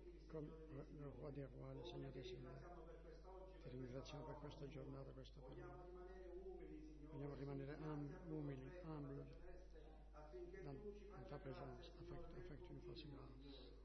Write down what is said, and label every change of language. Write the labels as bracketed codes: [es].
[fr] Comme le roi des rois, le Seigneur des Seigneurs. [it] Te ringraziamo per questa giornata, questa parola. Vogliamo rimanere umili, [fr] humbles, dans ta présence, afin que tu nous fasses grâce.